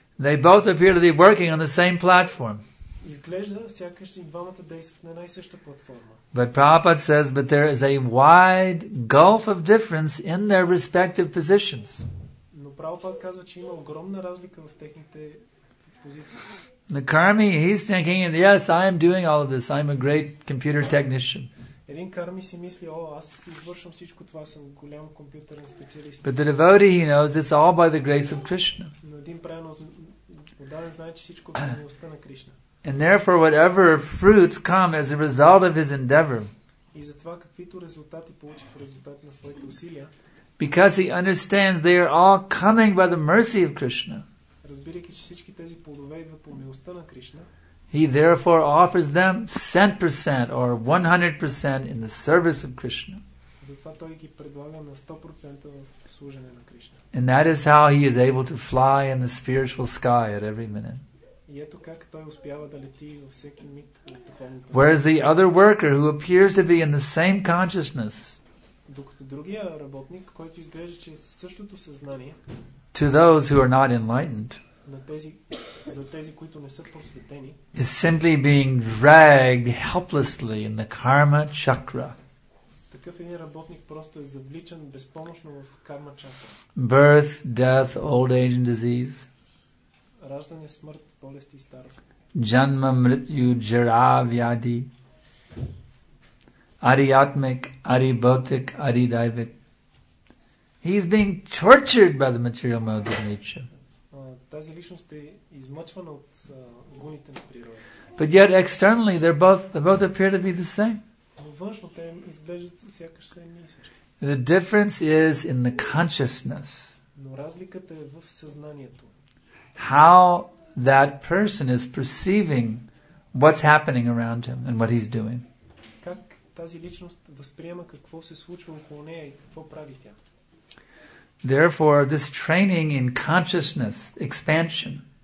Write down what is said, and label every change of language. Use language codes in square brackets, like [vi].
[en] They both appear to be working on the same platform. [bg] Изглежда сякаш и двамата действат на една и съща платформа. [en] But Prabhupada says, but there is a wide gulf of difference in their respective positions. [bg] Но Прабхупад казва, че има огромна разлика в техните позиции. [en] The karmi, he's thinking, yes, I am doing all of this. I'm a great computer technician. [bg] Един карми си мисли, о, аз извършвам всичко това, съм голям компютърен специалист. [en] But the devotee, he knows, it's all by the grace of Krishna. [bg] Но един преданно отдаден знае, че всичко е по милостта на Кришна. [en] And therefore, whatever fruits come as a result of his endeavor, [bg] и затова каквито резултати получи в резултат на своите усилия, [en] Because he understands they are all coming by the mercy of Krishna. [bg] Разбирайки, че всички тези плодове идват по милостта на Кришна. [en] He therefore offers them 100% or 100% in the service of Krishna. [bg] Затова той ги предлага на 100% в служене на Кришна. [en] And that is how he is able to fly in the spiritual sky at every minute. [bg] И ето как той успява да лети във всеки миг в духовното небе. [en] Whereas the other worker who appears to be in the same consciousness, [bg] докато другия работник, който изглежда, че е със същото съзнание, [en] to those who are not enlightened, [bg] за тези, които не са просветени, [en] is simply being dragged helplessly in the karma chakra. [bg] Такъв един работник просто е завличан безпомощно в карма чакра. [en] Birth, death, old age and disease. [bg] Раждане, смърт, болест и старост. [sa] Janma, mrityu, jara, vyadi. Ariatmik, aribhautik, aridaivik. [en] He is being tortured by the material modes of nature. [bg] Тази личност е измъчвана от гуните на природа. [en] But yet externally they both appear to be the same. [bg] Но външно те изглеждат сякаш са едни и същи. [en] The difference is in the consciousness. [bg] Но разликата е в съзнанието. [en] How that person is perceiving what's happening around him and what he's doing. [bg] Как тази личност възприема какво се случва около нея и какво прави тя? [en] Therefore, this training in consciousness expansion.